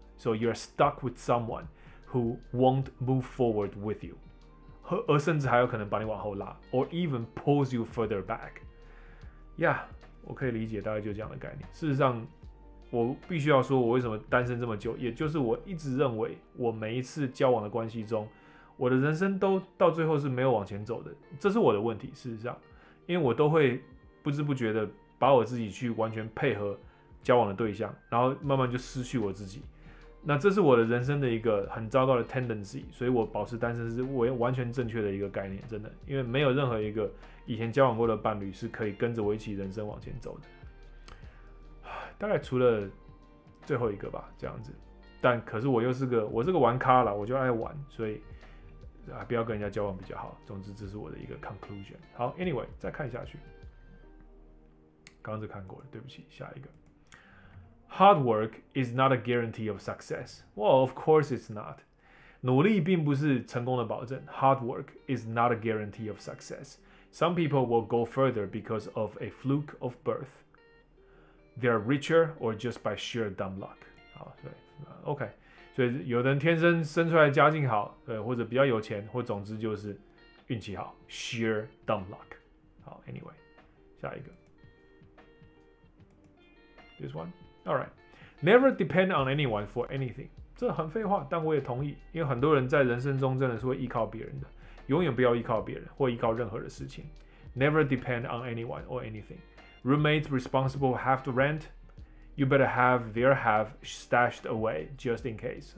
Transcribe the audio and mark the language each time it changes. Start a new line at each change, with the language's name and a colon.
English: So you're stuck with someone who won't move forward with you，
Chinese: 而甚至还有可能把你往后拉
English: ，or even pulls you further back。
Chinese: Yeah， 我可以理解，大概就这样的概念。事实上，我必须要说，我为什么单身这么久，也就是我一直认为，我每一次交往的关系中，我的人生都到最后是没有往前走的，这是我的问题。事实上，因为我都会不知不觉的把我自己去完全配合交往的对象，然后慢慢就失去我自己。那这是我的人生的一个很糟糕的 tendency， 所以我保持单身是完全正确的一个概念，真的，因为没有任何一个以前交往过的伴侣是可以跟着我一起人生往前走的。大概除了最后一个吧，这样子。但可是我又是个我是个玩咖啦，我就爱玩，所以啊，不要跟人家交往比较好。总之，这是我的一个 conclusion。好 ，anyway， 再看下去。刚刚看过了，对不起，下一个。
English: Hard work is not a guarantee of success. Well, of course it's not.
Chinese: 努力并不是成功的保证。
English: Hard work is not a guarantee of success. Some people will go further because of a fluke of birth. They are richer or just by sheer dumb luck.
Chinese: 好，对 ，OK。所以有的人天生生出来家境好，对，或者比较有钱，或总之就是运气好 ，sheer dumb luck。好 ，Anyway， 下一个。
English: This one, all right. Never depend on anyone for anything.
Chinese: 这很废话，但我也同意，因为很多人在人生中真的是会依靠别人的，永远不要依靠别人或依靠任何的事情。
English: Never depend on anyone or anything. Roommates responsible have to rent. You better have their half stashed away just in case.